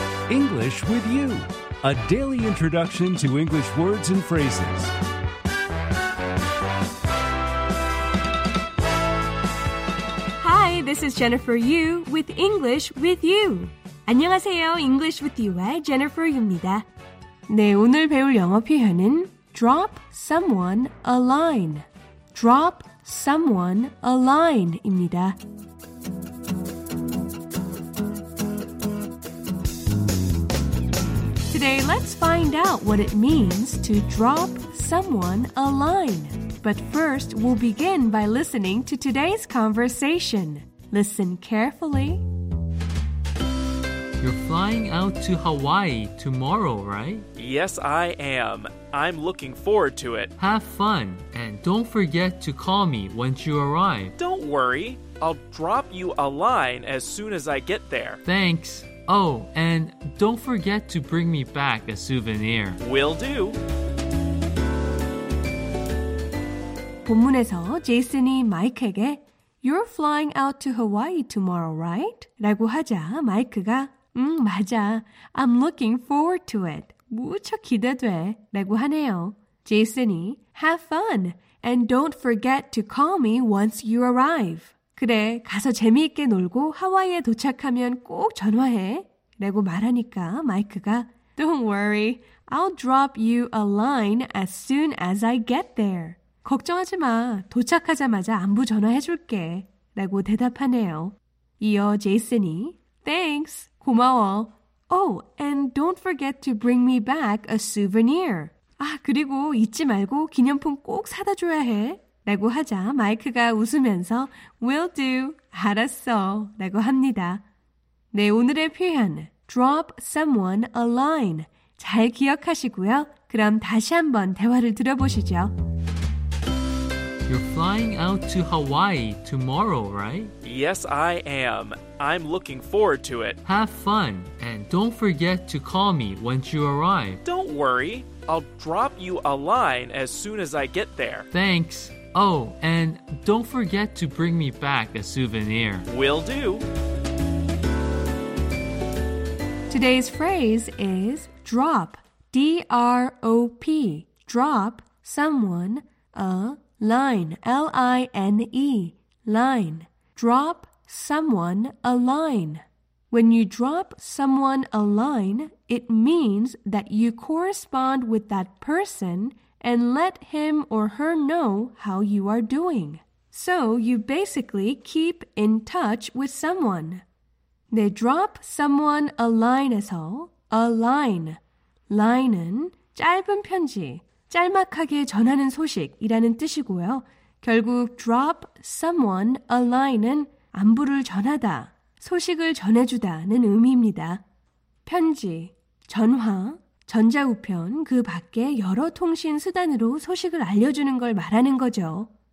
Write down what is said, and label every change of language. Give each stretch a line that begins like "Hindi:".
English: English with you, a daily introduction to English words and phrases. Hi, this is Jennifer Yu with English with you.
Korean: 안녕하세요, English with you의 Jennifer Yu입니다. 네, 오늘 배울 영어 표현은 drop someone a line.
English: Drop someone a line 입니다. 네, let's find out what it means to drop someone a line. But first, we'll begin by listening to today's conversation. Listen carefully. You're flying out to Hawaii tomorrow, right? Yes, I am. I'm looking forward to it. Have fun, and don't forget to call me once you arrive. Don't worry. I'll drop you a line as soon as I get there. Thanks. Oh, and don't forget to bring me back a souvenir. Will do.
Korean: 본문에서 제이슨이 마이크에게 You're flying out to Hawaii tomorrow, right? 라고 하자 마이크가 맞아.
English: I'm looking forward to it.
Korean: 무척 기대돼. 라고 하네요.
English: 제이슨이 Have fun and don't forget to call me once you arrive.
Korean: 그래, 가서 재미있게 놀고 하와이에 도착하면 꼭 전화해.
English: 라고 말하니까 마이크가 Don't worry, I'll drop you a line as soon as I get there.
Korean: 걱정하지 마, 도착하자마자 안부 전화해줄게. 라고 대답하네요. 이어 제이슨이 Thanks, 고마워.
English: Oh, and don't forget to bring me back a souvenir.
Korean: 아, 그리고 잊지 말고 기념품 꼭 사다 줘야 해. 라고 하자 마이크가 웃으면서 Will do, 알았어 라고 합니다. 네, 오늘의 표현 Drop someone a line 잘 기억하시고요. 그럼 다시 한번 대화를 들어보시죠.
English: You're flying out to Hawaii tomorrow, right? Yes, I am. I'm looking forward to it. Have fun and don't forget to call me once you arrive. Don't worry. I'll drop you a line as soon as I get there. Thanks. Oh, and don't forget to bring me back a souvenir. Will do. Today's phrase is drop, D-R-O-P, drop someone a line, L-I-N-E, line. Drop someone a line. When you drop someone a line, it means that you correspond with that person and let him or her know how you are doing. So you basically keep in touch with someone. 네, drop someone a line에서 a line,
Korean: line은 짧은 편지, 짤막하게 전하는 소식이라는 뜻이고요. 결국 drop someone a line은 안부를 전하다, 소식을 전해주다는 의미입니다. 편지, 전화, 전자우편, 그 밖에 여러 통신 수단으로 소식을 알려주는 걸 말하는 거죠.